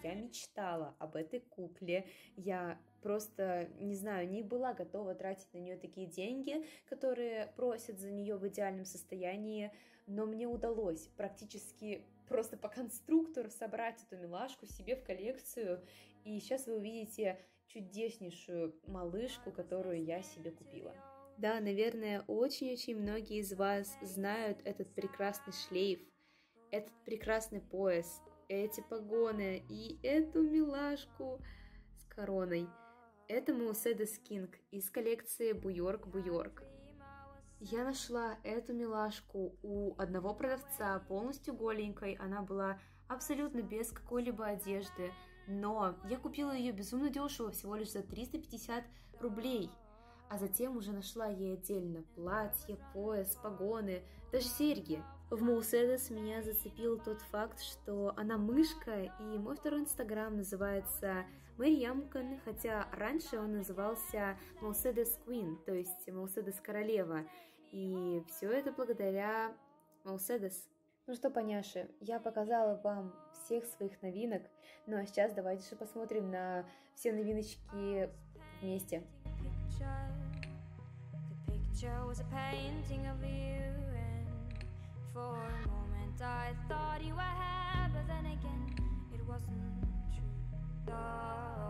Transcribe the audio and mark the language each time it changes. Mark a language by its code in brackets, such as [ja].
[ru] Я мечтала об этой кукле, я просто, не знаю, не была готова тратить на нее такие деньги, которые просят за нее в идеальном состоянии, но мне удалось практически просто по конструктору собрать эту милашку себе в коллекцию, и сейчас вы увидите чудеснейшую малышку, которую я себе купила. Да, наверное, очень-очень многие из вас знают этот прекрасный шлейф, этот прекрасный пояс, эти погоны и эту милашку с короной. Это Mercedes King из коллекции Bjork Bjork. Я нашла эту милашку у одного продавца полностью голенькой, она была абсолютно без какой-либо одежды, но я купила ее безумно дешево, всего лишь за 350 рублей. А затем уже нашла ей отдельно платье, пояс, погоны, даже серьги. В Mercedes меня зацепил тот факт, что она мышка, и мой второй инстаграм называется Мэриамкан, хотя раньше он назывался Mercedes Queen, то есть Mercedes Королева. И все это благодаря Mercedes. Ну что, поняши, я показала вам всех своих новинок, ну а сейчас давайте же посмотрим на все новиночки вместе. [en] The picture was a painting of you, and for a moment I thought you were happy, but then again it wasn't true.